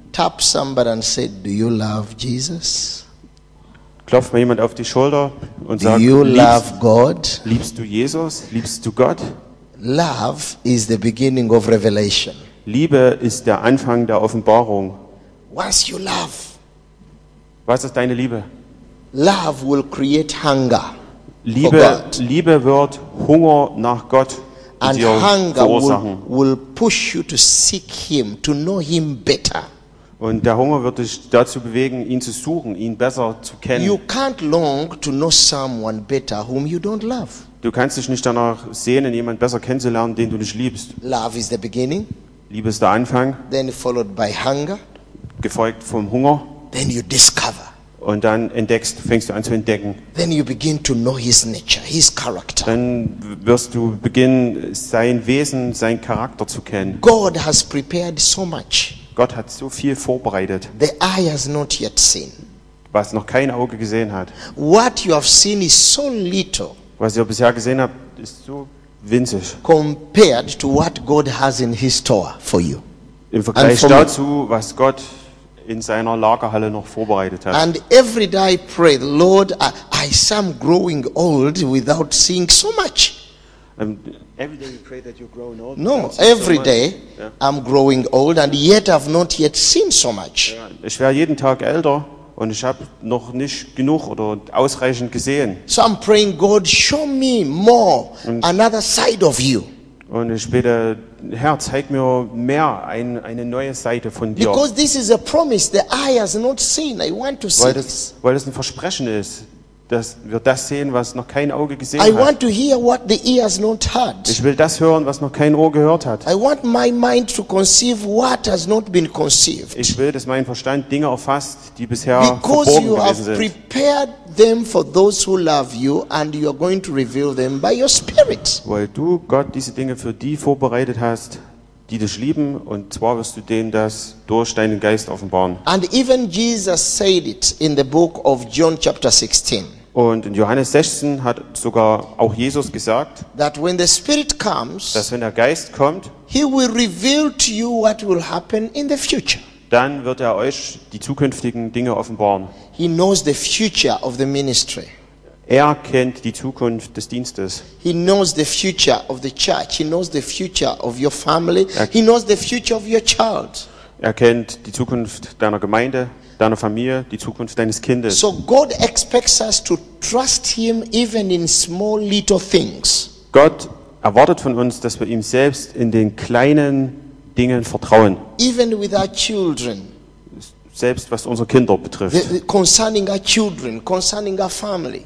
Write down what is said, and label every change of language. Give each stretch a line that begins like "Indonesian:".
English: Tap somebody and say, do you love Jesus?
German: Klopf mal jemand auf die Schulter und
English: do
German: sag,
English: you love God?
German: Liebst du Jesus? Liebst du Gott?
English: Love is the beginning of revelation.
German: Liebe ist der Anfang der Offenbarung.
English: What's your love?
German: Was ist deine Liebe?
English: Love will create hunger.
German: Liebe wird Hunger nach Gott
English: and
German: dir
English: hunger
German: verursachen.
English: Will push you to seek him, to know him better.
German: Und der Hunger wird dich dazu bewegen, ihn zu suchen, ihn besser zu kennen.
English: You can't long to know someone better whom you don't love.
German: Du kannst dich nicht danach sehnen, jemanden besser kennenzulernen, den du nicht liebst.
English: Love is the beginning.
German: Liebe ist der Anfang.
English: Then followed by hunger.
German: Gefolgt vom Hunger.
English: Then you discover.
German: Und dann entdeckst, fängst du an zu entdecken.
English: Then you begin to know his nature, his character.
German: Dann wirst du beginnen, sein Wesen, seinen Charakter zu kennen.
English: God has prepared so much.
German: Gott hat so viel vorbereitet.
English: The eye has not yet seen.
German: Was noch kein Auge gesehen hat.
English: What you have seen is so little.
German: Was ihr bisher gesehen habt, ist so winzig.
English: Compared to what God has in his store for you.
German: Im Vergleich dazu, was Gott in seiner Lagerhalle noch vorbereitet hat.
English: And every day I pray, Lord, I am growing old without seeing so much. Every day you pray that you're growing old. No, every day I'm growing old and yet I've not yet seen so much.
German: Ja, ich werde jeden Tag älter und ich habe noch nicht genug oder ausreichend gesehen.
English: So I'm praying, God, show me more, another side of you.
German: Und ich bete, Herr, zeig mir mehr, eine neue Seite von dir.
English: Because this is a promise the eye has not seen. I want to see this.
German: Weil es ein Versprechen ist, dass wir das sehen, was noch kein Auge gesehen hat.
English: I want to hear what the ear has not heard.
German: Ich will das hören, was noch kein Ohr gehört hat.
English: I want my mind to conceive what has not been conceived.
German: Ich will, dass mein Verstand Dinge erfasst, die bisher verborgen gewesen sind.
English: Because you have prepared them for those who love you and you are going to reveal them by your spirit.
German: Weil du Gott diese Dinge für die vorbereitet hast, die dich lieben, und zwar wirst du denen das durch deinen Geist offenbaren.
English: And even Jesus said it in the book of John chapter 16.
German: Und in Johannes 16 hat sogar auch Jesus gesagt,
English: that when the Spirit comes,
German: dass wenn der Geist kommt,
English: he will reveal to you what will happen in the future.
German: Dann wird er euch die zukünftigen Dinge offenbaren.
English: He knows the future of the ministry.
German: Er kennt die Zukunft des Dienstes.
English: He knows the future of the church. He knows the future of your family. He knows the future of your child.
German: Er kennt die Zukunft deiner Gemeinde, deiner Familie, die Zukunft deines Kindes.
English: So God expects us to trust him even in small little things.
German: Gott erwartet von uns, dass wir ihm selbst in den kleinen Dingen vertrauen.
English: Even with our children.
German: Selbst was unsere Kinder betrifft.
English: Concerning our children, concerning our family.